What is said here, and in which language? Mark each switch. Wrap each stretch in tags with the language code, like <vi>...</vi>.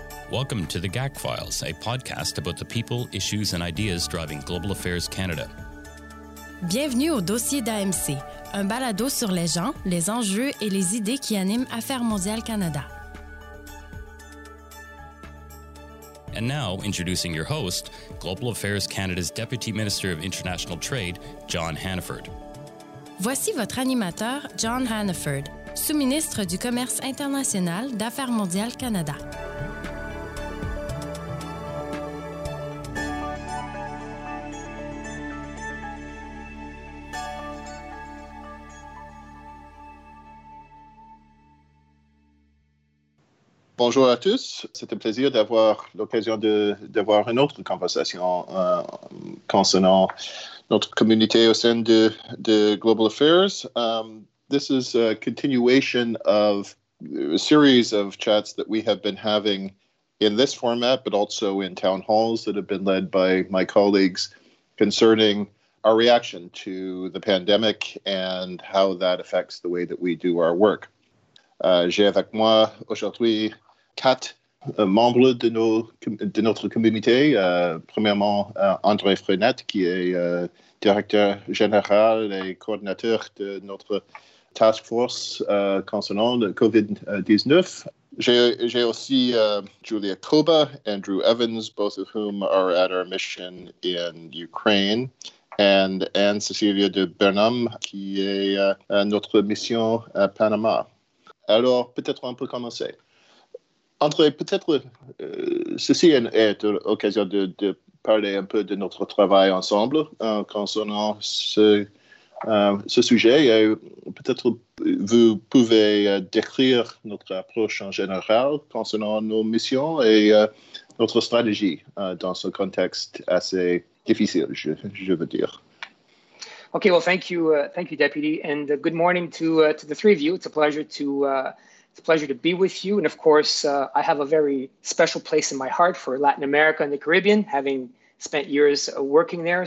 <en>Welcome to the GAC Files, a podcast about the people, issues and ideas driving Global Affairs Canada.</en> <fr>Bienvenue au dossier d'AMC, un balado sur les gens, les enjeux et les idées qui animent Affaires mondiales Canada.</fr> <en>And now, introducing your host, Global Affairs Canada's Deputy Minister of International Trade, John Hannaford.</en> <fr>Voici votre animateur, John Hannaford, sous-ministre du Commerce international d'Affaires mondiales Canada. Bonjour à tous. C'est un plaisir d'avoir l'occasion d'avoir une autre conversation concernant notre communauté au sein de Global Affairs.</fr> <en>This is a continuation of a series of chats that we have been having in this format, but also in town halls that have been led by my colleagues concerning our reaction to the pandemic and how that affects the way that we do our work.</en> <fr>J'ai avec moi aujourd'hui quatre membres de notre communauté. Premièrement, André Frenette, qui est directeur général et coordinateur de notre task force concernant le COVID-19. J'ai aussi Julia Koba, Andrew Evans,</fr> <en>both of whom are at our mission in Ukraine,</en> <fr>and Anne-Cécilia de Bernham, qui est à notre mission à Panama. Alors, peut-être on peut commencer. André, peut-être ceci est l'occasion de parler un peu de notre travail ensemble concernant ce sujet. Et peut-être vous pouvez décrire notre approche en général concernant nos missions et notre stratégie dans ce contexte assez difficile, je veux dire.</fr> <en>Okay, well, thank you, Deputy, and good morning to the three of you. It's a pleasure to be with you. And of course, I have a very special place in my heart for Latin America and the Caribbean, having spent years working there.</en>